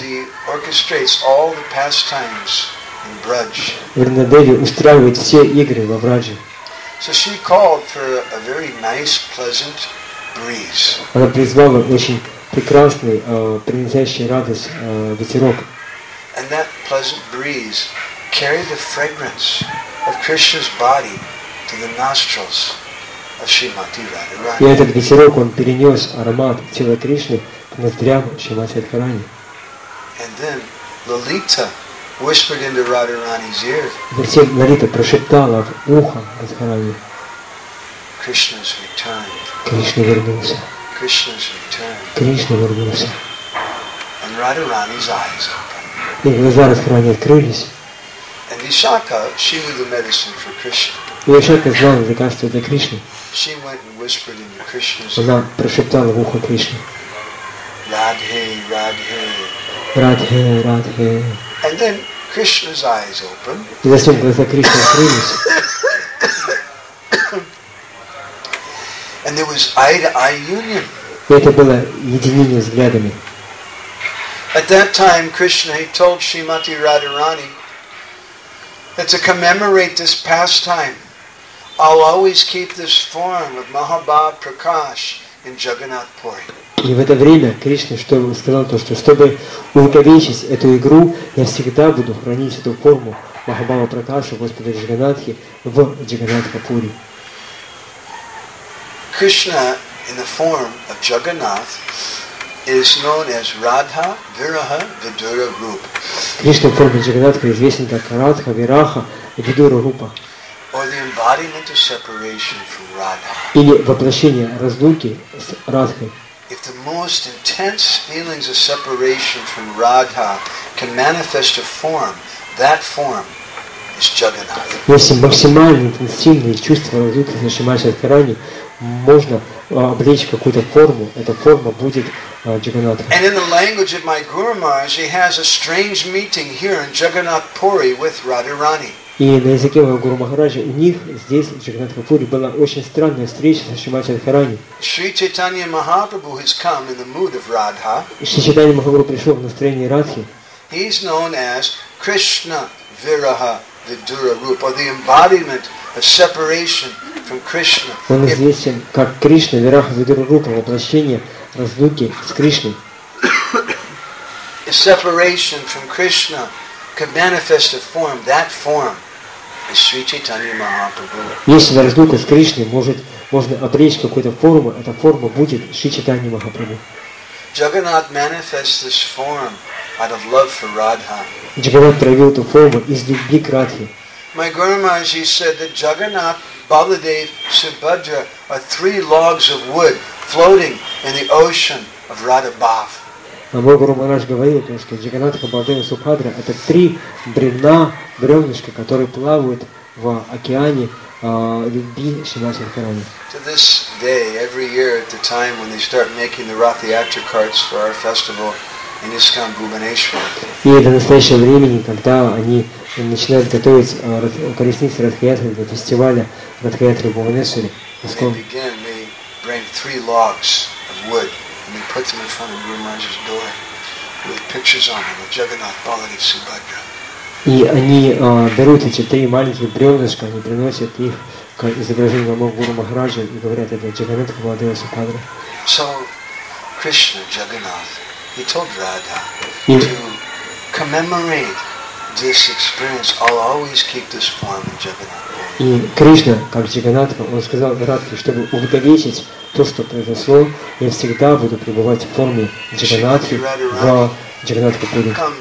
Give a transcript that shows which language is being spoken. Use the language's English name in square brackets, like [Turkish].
[English] Бриндадеви orchestrates all the pastimes in Braj. [Russian] Бриндадеви устраивает все игры во Враже. [English] So she called for a very nice, pleasant breeze. [Russian] Она призвала очень прекрасный, приносящий радость ветерок. [English] And that pleasant breeze carried the fragrance of Krishna's body to the nostrils of Shrimati Radharani. [Russian] И этот ветерок он перенес аромат тела Кришны к ноздрям Шримати Радхарани. [English] And then Lalita whispered into Radharani's ear. [Russian] Затем Лалита прошептала в ухо Радхарани. [English] Krishna's returned. [Russian] Кришна вернулся. [English] Krishna's return. And Radharani's eyes opened. [Russian] И глаза Радхарани открылись. [English] And Vishakha, she knew the medicine for Krishna. [Russian] И Вишакха знала лекарство для Кришны. [English] She went and whispered into Krishna's [Russian] ear. Она прошептала в ухо Кришне. Radhe, Radhe. Radhe, Radhe. [English] And then Krishna's eyes opened. [Russian] И затем глаза Кришны открылись. [English] And there was eye-to-eye union. [Russian] Это было единение взглядами. [English] At that time, Krishna told Shrimati Radharani that to commemorate this pastime, I'll always keep this form of Mahabhav Prakash in Jagannath Puri. [Russian] И в это время Кришна сказал то, что чтобы увековечить эту игру, я всегда буду хранить эту форму Махабава Пракаша, Господа Джаганатхи, в Джаганатхапури. [English] Krishna in the form of Jagannath is known as Radha, Viraha, Vidura Rupa. [Russian] Krishna в форме Джаганатха известен как Радха, Вираха, Видура Рупа. [English] Or the embodiment of separation from Radha. [Russian] Или воплощение разлуки с Радхой. [English] If the most intense feelings of separation from Radha can manifest a form, that form is Jagannath. [Russian] Если максимально интенсивные чувства разлуки с нашей матерью Радхарани можно облечь какую-то форму, эта форма будет Джаганатха. [English] And in the language of my Guru Maharaj, he has a strange meeting here in Jagannathpuri with Radharani. [Russian] И на языке моего Гуру Махараджа у них здесь, в Джаганатхапури, была очень странная встреча с Шри Махарани. [English] Шри Чайтанья Махапрабху has come in the mood of Radha. [Russian] Шри Чайтанья Махапрабху пришел в настроении Радхи. [English] He is known as Krishna Viraha Vidura Rupa, or the embodiment of separation from Krishna. [Russian] Он известен как Кришна Вираха Видура Рупа, воплощение разлуки с Кришной. [English] A separation from Krishna could manifest a form, that form is Sri Chaitanya Mahaprabhu. [Russian] Если на разлуку с Кришной можно обречь какую-то форму, эта форма будет Шри Чайтанья Махапрабху. [English] Jagannath manifests this form out of love for Radha. [Russian] Джагнатх проявил эту форму из любви к Радхе. [English] My Guru Maharaj said that Jagannath, Baladev, Subhadra are three logs of wood floating in the ocean of Radha Bhav. [Russian] А мой Гуру Махарадж говорил, что Джаганатха, Балдева, Субхадра это три бревна, бревнышка, которые плавают в океане любви Шимаса Радхарани. [English] To this day, every year at the time when they start making the Rathyatra carts for our festival in ISKCON Bhubaneswar. [Russian] И до настоящего времени, когда они начинают готовить колесницы Радхиатры для фестиваля Радхиатры в Бхубанесваре, [English] they begin, they bring three logs of wood. And they put them in front of Guru Maharaj's door with pictures on them of Jagannath, Baladev, Subhadra. [Russian] И они берут эти три маленьких бревнышка, они приносят их к изображению Гуру Махараджа и говорят, это Джаганат, Баладева, Субхадра. [English] So Krishna, Jagannath, he told Radha to commemorate this experience, I'll always keep this form of Jagannath. [Russian] И Кришна, как Джаганатха, он сказал Радхе, чтобы увековечить то, что произошло, я всегда буду пребывать в форме Джаганатхи в Джаганатхапури.